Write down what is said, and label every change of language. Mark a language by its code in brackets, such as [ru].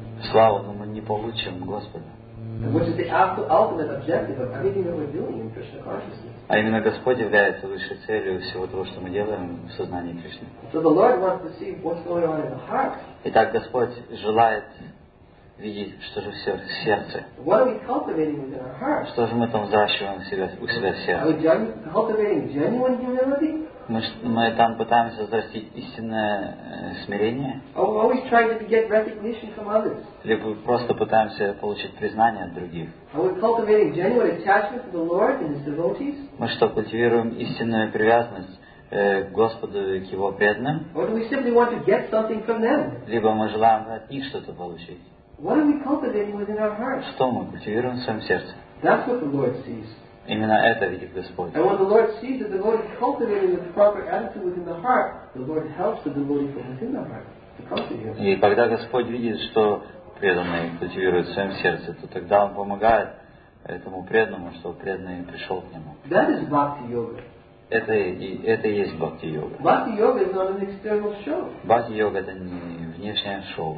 [ru] Славу, но мы не получим Господа. [en] Which is the ultimate objective of everything that we're doing in Krishna consciousness. [ru] А именно Господь является высшей целью всего того, что мы делаем в сознании Кришны. [en] So the Lord wants to see what's going on in the heart. [ru] Итак, Господь желает видеть, что же в сердце. [en] What are we cultivating within our hearts? [ru] Что же мы там взращиваем у себя в сердце? [en] Are we cultivating genuine humility? [ru] Мы там пытаемся взрастить истинное смирение? [en] Or are we trying to get recognition from others? [ru] Либо просто пытаемся получить признание от других? [en] Are we cultivating genuine attachment to the Lord and His devotees? [ru] Мы что, культивируем истинную привязанность к Господу и к Его преданным? [en] Or do we simply want to get something from them? [ru] Либо мы желаем от них что-то получить? [en] What are we cultivating within our hearts? [ru] Что мы культивируем в своем сердце? [en] That's what the Lord sees. [ru] Именно это видит Господь. [en] And when the Lord sees the devotee cultivating the proper attitude within the heart, the Lord helps the devotee from within the heart to cultivate. [ru] И когда Господь видит, что преданный культивирует в своем сердце, то тогда Он помогает этому преданному, чтобы преданный пришел к нему. [en] That is bhakti yoga. [ru] Это и есть бхакти-йога. Бхакти-йога — это не [en] external show. [ru] Бхакти-йога — это не внешнее шоу.